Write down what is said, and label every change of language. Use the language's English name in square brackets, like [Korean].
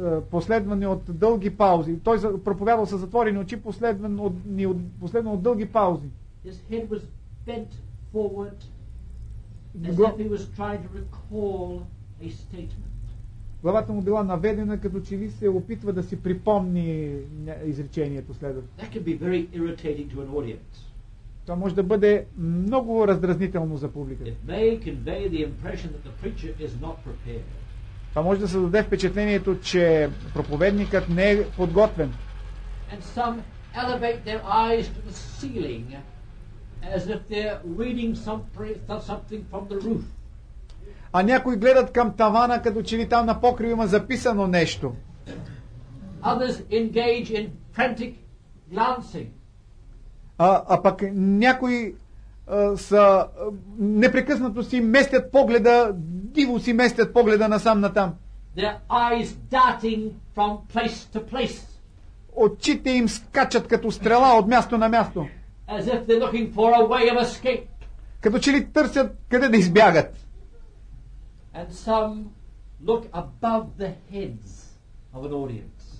[Bulgarian] Последвани от дълги паузи. Той проповядал със затворени очи, последвани от дълги паузи. [English] His head was bent forward as if he was trying to recall a statement. [Bulgarian] Главата му била наведена, като че ли се опитва да си припомни изречението следващо. [English] That can be very irritating to an audience. [Bulgarian] Това може да бъде много раздразнително за публиката. [English] It may convey the impression that the preacher is not prepared. [Bulgarian] Това може да се даде впечатлението, че проповедникът не е подготвен. [English] And some elevate their eyes to the ceiling as if they're reading something from the roof. [Bulgarian] А някои гледат към тавана, като че ли там на покрива има записано нещо. [English] Others engage in frantic glancing. [Bulgarian] А пък някои са непрекъснато си местят погледа, диво си местят погледа насам натам. [English] Their eyes darting from place to place. [Bulgarian] Очите им скачат като стрела от място на място. [English] As if they're looking for a way of escape. [Bulgarian] Като че ли търсят къде да избягат. [English] And some look above the heads of an audience.